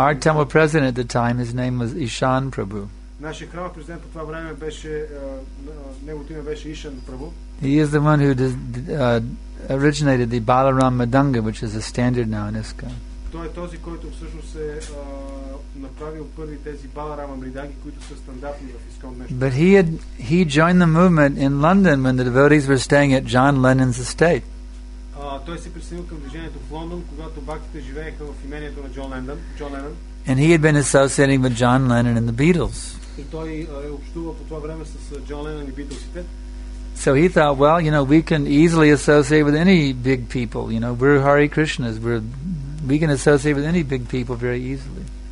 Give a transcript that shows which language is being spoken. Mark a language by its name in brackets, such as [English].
[English] Our temple president at the time, his name was Ishan Prabhu. [Bulgarian] Нашият храмов президент по това време беше, неговото име беше Ишан Прабху. [English] He is the one who originated the Balaram Madanga, which is a standard now in ISKCON. [Bulgarian] Той е този, който всъщност е направил първи тези Баларама Мридаги, които са стандартни в ИСКОН днес. [English] But he joined the movement in London when the devotees were staying at John Lennon's estate. [Bulgarian] Той се присъединил към движението в Лондон, когато бактите живееха в имението на Джон Ленън, Джон Ленън. [English] And he had been associating with John Lennon and the Beatles. [Bulgarian] И той е общувал по това време с Джон Ленън и Битлсите. [English] So he thought, well, you know, we can easily associate with any big people. You know, we're Hare Krishnas. We can associate with any big people very easily.